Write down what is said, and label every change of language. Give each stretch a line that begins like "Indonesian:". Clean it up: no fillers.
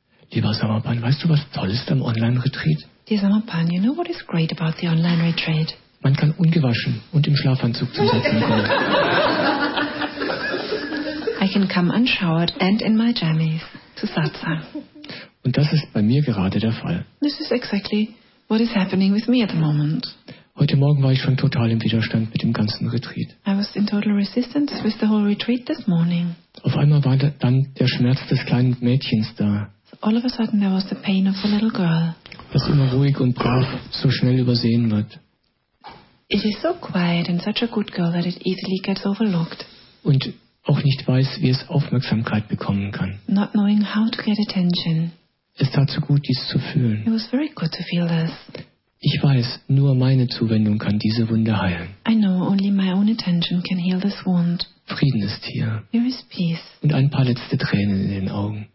German: Lieber Samapan, weißt du, was toll ist am Online-Retreat?
English: Dear Samapan, you know what is great about the online retreat?
German: Man kann ungewaschen und im Schlafanzug zusetzen kommen.
English: I can come unshowered and in my jammies to satsang.
German: Und das ist bei mir gerade der Fall.
English: This is exactly what is happening with me at the moment.
German: Heute Morgen war ich schon total im Widerstand mit dem ganzen Retreat.
English: I was in total resistance with the whole retreat this morning.
German: Auf einmal war dann der Schmerz des kleinen Mädchens da.
English: All of a sudden there was the pain of the little girl.
German: Was immer ruhig und brav so schnell übersehen wird.
English: It is so quiet and such a good girl that it easily gets overlooked.
German: Und auch nicht weiß, wie es Aufmerksamkeit bekommen kann.
English: Not knowing how to get attention.
German: Es tat so gut, dies zu fühlen.
English: It was very good to feel this.
German: Ich weiß, nur meine Zuwendung kann diese Wunde heilen.
English: I know only my own attention can heal this wound.
German: Frieden ist hier.
English: There is peace.
German: Und ein paar letzte Tränen in den Augen.